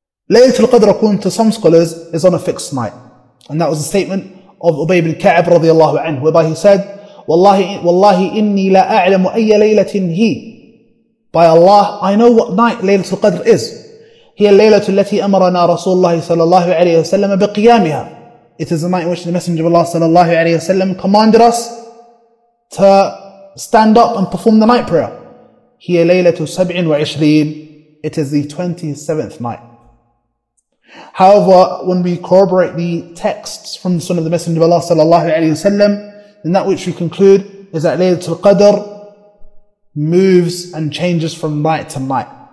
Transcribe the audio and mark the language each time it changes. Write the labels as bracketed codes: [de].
[en] Laylatul Qadr, according to some scholars, is on a fixed night. And that was a statement of Ubay ibn Ka'ab radiallahu anhu, whereby he said, [ar] Wallahi inni la a'lamu ayya laylatin hi. [en] By Allah, I know what night Laylatul Qadr is. [ar] هي الليلة التي أمرنا رسول الله صلى الله عليه وسلم بقيامها. [en] It is the night in which the Messenger of Allah صلى الله عليه وسلم commanded us to stand up and perform the night prayer. [ar] هي ليلة 27. [en] It is the 27th night. However, when we corroborate the texts from the Sunnah of the Messenger of Allah صلى الله عليه وسلم, then that which we conclude is that ليلة القدر moves and changes from night to night.